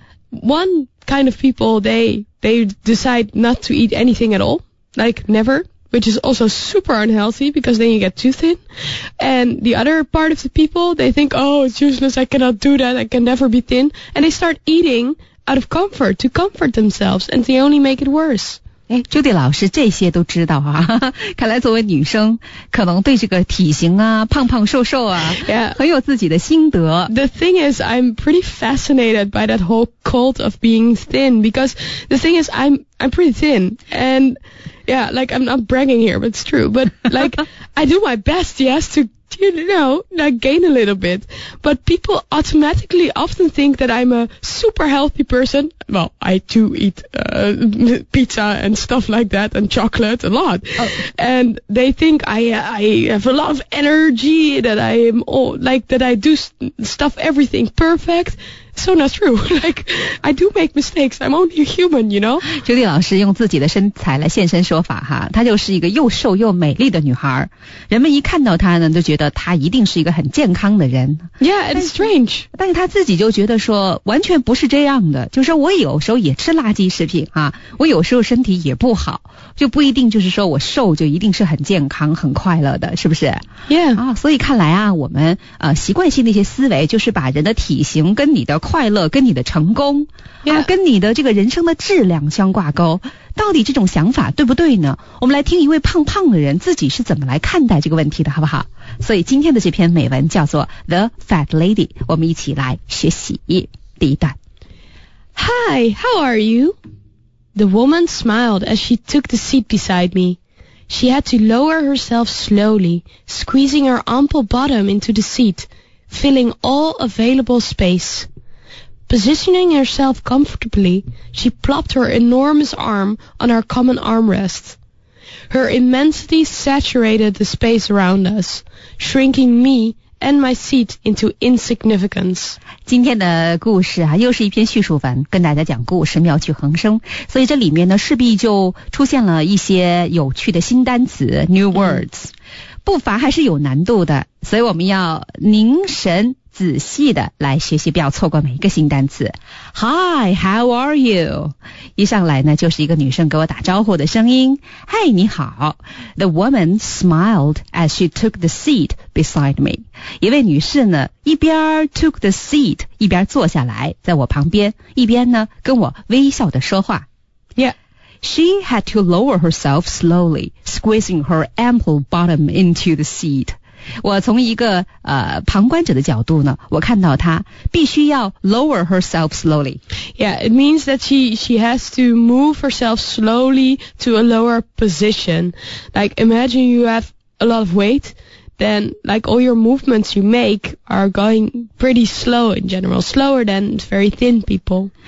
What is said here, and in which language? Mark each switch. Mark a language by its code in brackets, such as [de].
[en] one kind of people, they decide not to eat anything at all, like never, which is also super unhealthy because then you get too thin. And the other part of the people, they think, oh, it's useless, I cannot do that, I can never be thin. And they start eating out of comfort, to comfort themselves, and they only make it worse. [zh] 哎，朱迪老师，这些都知道啊，看来作为女生可能对这个体型啊，胖胖瘦瘦啊、 [en] yeah. [zh] 很有自己的心得。 [en] The thing is, I'm pretty fascinated by that whole cult of being thin, because the thing is, I'm pretty thin, and yeah, like I'm not bragging here, but it's true, but like I do my best, yes, to, you know, like gain a little bit, but people automatically often think that I'm a super healthy person. Well, I do eat pizza and stuff like that, and chocolate a lot. Oh. And they think I have a lot of energy, that I am all, like, that I do stuff everything perfect. So not true. Like, I do make mistakes. I'm only human, you know? [zh] 朱迪老师用自己的身材来现身说法哈，她就是一个又瘦又美丽的女孩。人们一看到她呢，就觉得她一定是一个很健康的人。 [en] Yeah, it's strange. [zh] 但是她自己就觉得说，完全不是这样的。就是我有时候也吃垃圾食品啊，我有时候身体也不好，就不一定就是说我瘦就一定是很健康、很快乐的，是不是 [en] ？Yeah. [zh] 啊，所以看来啊，我们习惯性的一些思维，就是把人的体型跟你的快乐跟你的成功、 [en] yeah. [zh] 啊、跟你的这个人生的质量相挂钩，到底这种想法对不对呢？我们来听一位胖胖的人自己是怎么来看待这个问题的，好不好？所以今天的这篇美文叫做 The Fat Lady， 我们一起来学习第一段。 [en] Hi, how are you? The woman smiled as she took the seat beside me. She had to lower herself slowly, squeezing her ample bottom into the seat, filling all available spacePositioning herself comfortably, she plopped her enormous arm on our common armrest. Her immensity saturated the space around us, shrinking me and my seat into insignificance. [zh] 今天的故事啊，又是一篇叙述文，跟大家讲故事，妙趣横生。所以这里面呢，势必就出现了一些有趣的新单词 , [en] new words.、 [zh] 嗯、步伐还是有难度的，所以我们要凝神仔细的来学习，不要错过每一个新单词。 [en] Hi, how are you? [zh] 一上来呢，就是一个女生给我打招呼的声音。 Hey, 你好。 [en] The woman smiled as she took the seat beside me. [zh] 一位女士呢，一边 [en] took the seat, [zh] 一边坐下来在我旁边，一边呢，跟我微笑的说话。 [en] Yeah. She had to lower herself slowly, squeezing her ample bottom into the seat. [zh] 我从一个旁观者的角度呢，我看到她必须要 [en] lower herself slowly. Yeah, it means that she has to move herself slowly to a lower position. Like, imagine you have a lot of weight, then like all your movements you make are going pretty slow in general, slower than very thin people.